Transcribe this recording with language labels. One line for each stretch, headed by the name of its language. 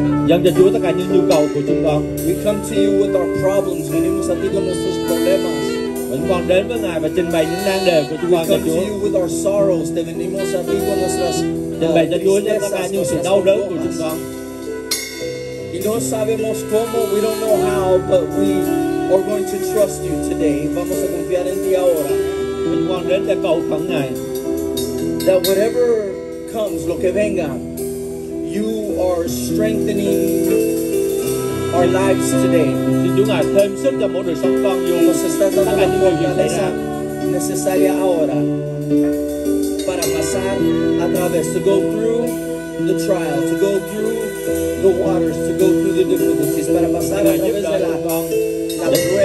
Vietnamese: Dâng cho Chúa tất cả những nhu cầu của chúng con.
English: We come to you with our problems.
Spanish: Venimos a ti con nuestros problemas.
Vietnamese: Và chúng con đến với Ngài và trình bày những nan đề của chúng con cho Chúa.
English: We come to you with our sorrows.
Spanish: Te venimos a ti con nuestras
Vietnamese: trình bày cho Chúa tất cả những sự đau đớn của chúng con.
Spanish: Y no sabemos cómo.
English: We don't know how, but we're going to trust you today.
Spanish: Vamos a confiar en ti ahora.
Vietnamese: Chúng con đến để cầu khẩn Ngài.
English: That whatever comes,
Spanish: lo que venga,
English: you are strengthening our lives today.
Vietnamese: Xin Chúa Ngài thêm sức cho mỗi đời sống con. Dù
Spanish: nos está dando la fortaleza necesaria ahora para pasar a través,
English: to go through the trial, to go through the waters, to go through the difficulties,
Spanish: para pasar a través de